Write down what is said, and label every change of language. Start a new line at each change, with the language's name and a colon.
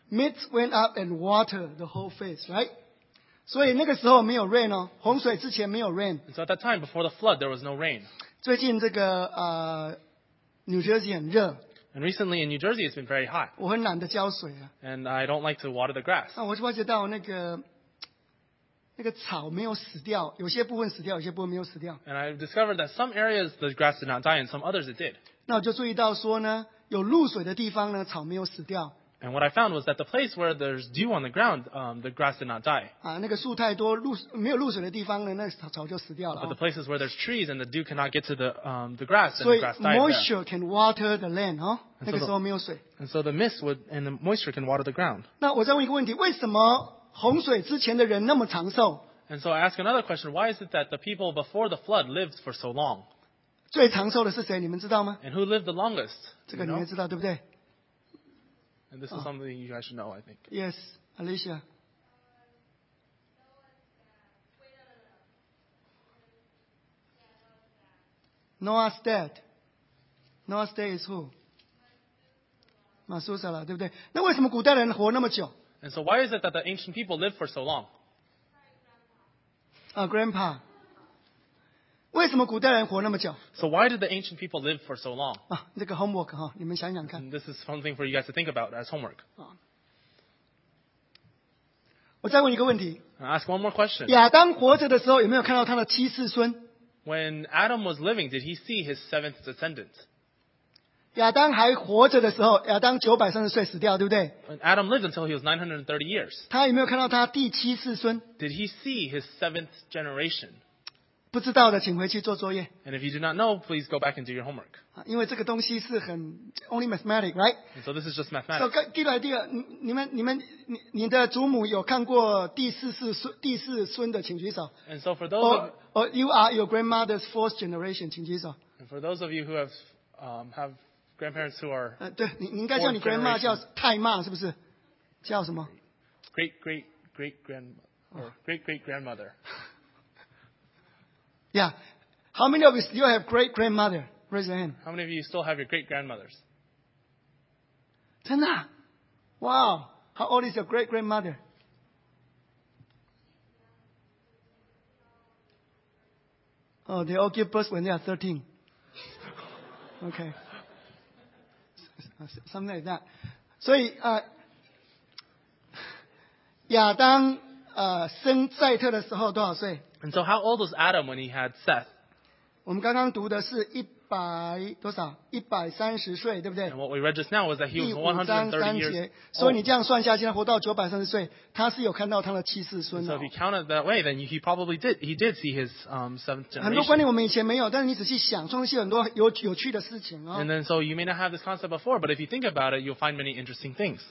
English: Mist went up and watered the whole face, right?
Chinese: 所以那个时候没有rain哦, 洪水之前没有rain。
English: So at that time, before the flood, there was no rain.
Chinese: 最近这个, New Jersey很热。
English: And recently in New Jersey, it's been very hot.
Chinese: 我很懒得浇水啊。
English: And I don't like to water the grass.
Chinese: 我就发觉到那个, 那个草没有死掉, 有些部分死掉, 有些部分没有死掉。
English: And I discovered that some areas the grass did not die, and some others it did.
Chinese: 那我就注意到说呢, 有露水的地方呢, 草没有死掉。
English: And what I found was that the place where there's dew on the ground, the grass did not die.
Chinese: 啊, 那个树太多, 露, 没有露水的地方呢, 那草就死掉了,
English: but the places where there's trees and the dew cannot get to the grass, and so the grass died. Moisture there. Can water the land, huh?
Chinese: 那个时候没有水。
English: And so the mist would, and the moisture can water the ground.
Chinese: 那我再问一个问题, 为什么洪水之前的人那么长寿?
English: And so I ask another question, why is it that the people before the flood lived for so long?
Chinese: 最长寿的是谁, 你们知道吗?
English: And who lived the longest?
Chinese: 这个你们知道,
English: you know?
Chinese: 对不对?
English: And this is something you guys should know, I think. Yes, Alicia. Noah's dad. Noah's dad is who? Methuselah,
Chinese: 对不对? 那为什么古代人活那么久?
English: And so why is it that the ancient people lived for so long? Grandpa.
Chinese: 为什么古代人活那么久?
English: So why did the ancient people live for so long?
Chinese: 啊, 这个 homework, 哈, 你们想想看。
English: This is something for you guys to think about as homework.
Chinese: 我再问一个问题。
English: I'll ask one more question.
Chinese: 亚当活着的时候有没有看到他的七世孙?
English: When Adam was living, did he see his seventh descendant?
Chinese: 亚当还活着的时候, 亚当930岁死掉, 对不对?
English: When Adam lived until he was 930 years.
Chinese: 他有没有看到他第七世孙?
English: Did he see his seventh generation?
Chinese: 不知道的请回去做作业。
English: And if you do not know, please go back and do your homework.
Chinese: 因为这个东西是很
English: only mathematics, right? And so this is just mathematics.
Chinese: So, 第二个idea, 你们你的祖母有看过第四世孙的请举手。
English: And so for those or you are your grandmother's fourth generation,
Chinese: 请举手。
English: And for those of you who have grandparents who are
Chinese: 对，你应该叫你 grandma 叫太妈是不是？叫什么？
English: Great grandmother. Yeah, how many of you still have great grandmother? Raise your hand. How many of you still have your great grandmothers?
Chinese: 真的?
English: Wow, how old is your great grandmother? They all give birth when they are 13. Okay. Something like that.
Chinese: 所以, 亚当, 生赛特的时候多少岁?
English: And so how old was Adam when he had Seth?
Chinese: 我们刚刚读的是一百多少? 130岁, 对不对?
English: And what we read just now was that he was 130 years old.
Chinese: 所以你这样算下去, 活到930岁, 他是有看到他的七世孙哦。
English: So if you count it that way, then he probably did. He did see his seventh generation.
Chinese: 很多观念我们以前没有, 但是你仔细想, 创世很多有趣的事情哦。
English: And then so you may not have this concept before, but if you think about it, you'll find many interesting things.